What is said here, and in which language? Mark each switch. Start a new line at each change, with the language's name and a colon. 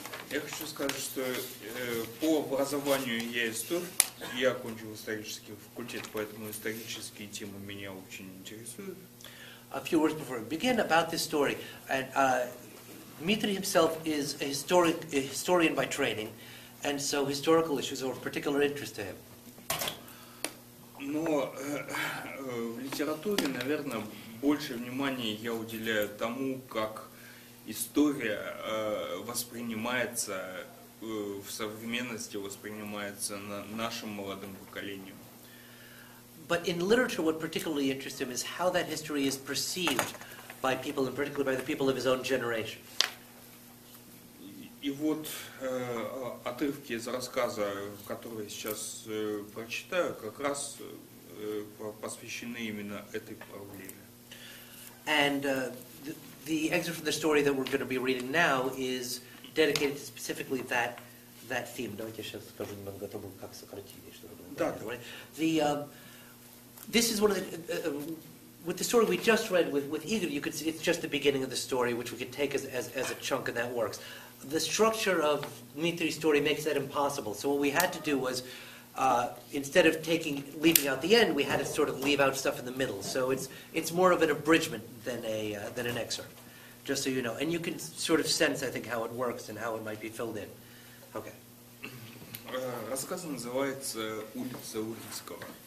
Russian: Я хочу сказать, что по образованию я историк. Я окончил исторический факультет, поэтому исторические темы меня очень интересуют.
English: A few words before we begin about this story. And Dmitry himself is a historian by training, and so historical issues are of particular interest to him.
Russian: Но в литературе, наверное, больше внимания я уделяю тому, как история воспринимается в современности, воспринимается нашим молодым поколением.
English: But in literature, what particularly interests him is how that history is perceived by people, and particularly by the people of his own generation.
Russian: И вот отрывки из рассказа, которые я сейчас прочитаю, как раз посвящены именно этой проблеме.
English: And the excerpt from the story that we're going to be reading now is dedicated to specifically that theme.
Russian: Давайте сейчас скажу немного о том, как сократили, чтобы было понятно. Да.
English: This is one of the with the story we just read with Igor. You could see it's just the beginning of the story, which we could take as a chunk, and that works. The structure of Dmitry's story makes that impossible. So what we had to do was, instead of leaving out the end, we had to sort of leave out stuff in the middle. So it's more of an abridgment than an excerpt, just so you know. And you can sort of sense, I think, how it works and how it might be filled in. Okay.
Russian: Рассказ называется «Улица Урицкого».